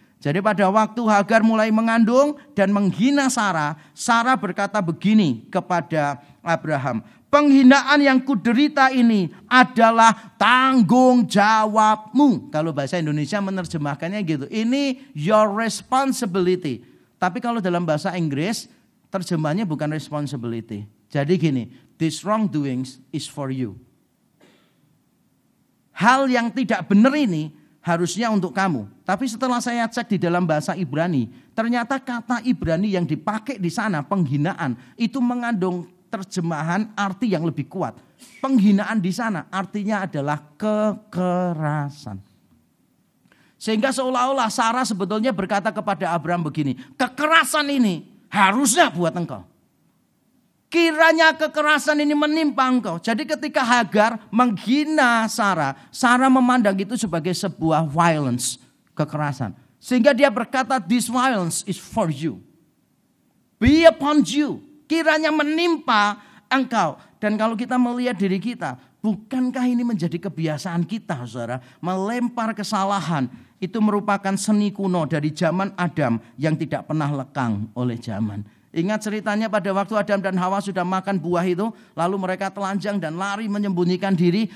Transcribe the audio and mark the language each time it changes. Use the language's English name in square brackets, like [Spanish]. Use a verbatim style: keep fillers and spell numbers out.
[Indonesian] Jadi pada waktu Hagar mulai mengandung dan menghina Sarah, Sarah berkata begini kepada Abraham, "Penghinaan yang kuderita ini adalah tanggung jawabmu." Kalau bahasa Indonesia menerjemahkannya gitu, ini [English] your responsibility. [Indonesian] Tapi kalau dalam bahasa Inggris, terjemahannya bukan responsibility. Jadi gini, [English] this wrongdoings is for you. [Indonesian] Hal yang tidak benar ini harusnya untuk kamu. Tapi setelah saya cek di dalam bahasa Ibrani, ternyata kata Ibrani yang dipakai di sana, penghinaan, itu mengandung terjemahan arti yang lebih kuat. Penghinaan di sana artinya adalah kekerasan. Sehingga seolah-olah Sarah sebetulnya berkata kepada Abraham begini, "Kekerasan ini harusnya buat engkau. Kiranya kekerasan ini menimpa engkau." Jadi ketika Hagar menghina Sarah, Sarah memandang itu sebagai sebuah violence, kekerasan. [English] Sehingga dia berkata, "This violence is for you. Be upon you." [Indonesian] Kiranya menimpa engkau. Dan kalau kita melihat diri kita, bukankah ini menjadi kebiasaan kita, saudara? Melempar kesalahan itu merupakan seni kuno dari zaman Adam yang tidak pernah lekang oleh zaman. Ingat ceritanya pada waktu Adam dan Hawa sudah makan buah itu, lalu mereka telanjang dan lari menyembunyikan diri.